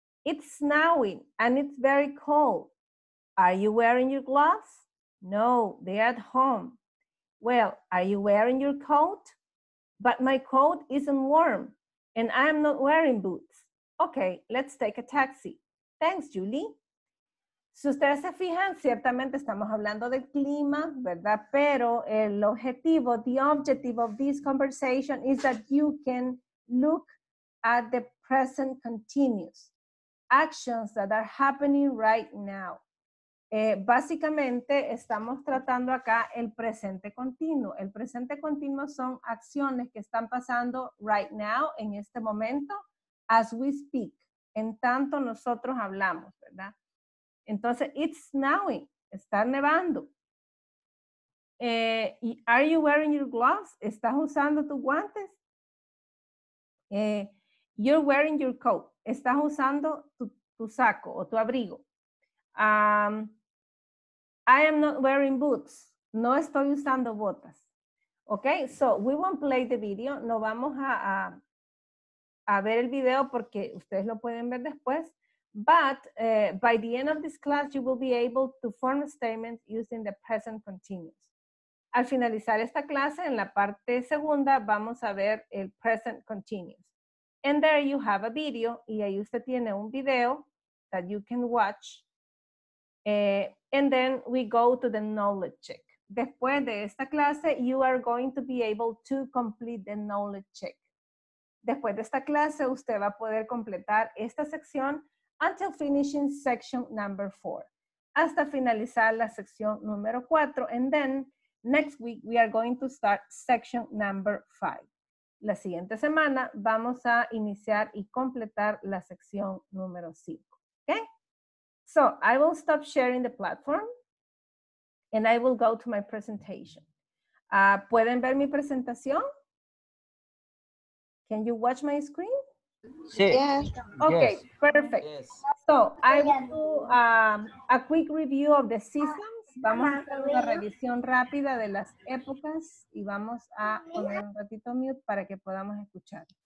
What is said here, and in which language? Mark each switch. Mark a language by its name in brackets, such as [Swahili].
[English] It's snowing and it's very cold. Are you wearing your gloves? No, they're at home. Well, are you wearing your coat? But my coat isn't warm, and I'm not wearing boots. Okay, let's take a taxi. Thanks, Julie. [Spanish] Si ustedes se fijan, ciertamente estamos hablando del clima, ¿verdad? Pero el objetivo, [English] the objective of this conversation is that you can look at the present continuous actions that are happening right now. [Spanish] Básicamente estamos tratando acá el presente continuo. El presente continuo son acciones que están pasando [English] right now, [Spanish] en este momento, [English] as we speak, [Spanish] en tanto nosotros hablamos, ¿verdad? Entonces, [English] it's snowing, [Spanish] está nevando. [English] Are you wearing your gloves? [Spanish] ¿Estás usando tus guantes? [English] You're wearing your coat. [Spanish] ¿Estás usando tu saco o tu abrigo? [English] I am not wearing boots. [Spanish] No estoy usando botas. [English] Okay, so we won't play the video. [Spanish] No vamos a ver el video porque ustedes lo pueden ver después. [English] But by the end of this class, you will be able to form a statement using the present continuous. [Spanish] Al finalizar esta clase, en la parte segunda, vamos a ver el present continuous. [English] And there you have a video, [Spanish] y ahí usted tiene un video [English] that you can watch. And then we go to the knowledge check. [Spanish] Después de esta clase, [English] you are going to be able to complete the knowledge check. [Spanish] Después de esta clase, usted va a poder completar esta sección [English] until finishing section number 4. [Spanish] Hasta finalizar la sección número 4. [English] And then, next week, we are going to start section number 5. [Spanish] La siguiente semana, vamos a iniciar y completar la sección número 5. [English] Okay? So, I will stop sharing the platform. And I will go to my presentation. [Spanish] ¿Pueden ver mi presentación? [English] Can you watch my screen? [Spanish] Sí. [English] Yes. Okay, yes. Perfect. Yes. So, I will do a quick review of the seasons. [Spanish] Vamos a hacer una revisión rápida de las épocas y vamos a poner un ratito mute para que podamos escuchar.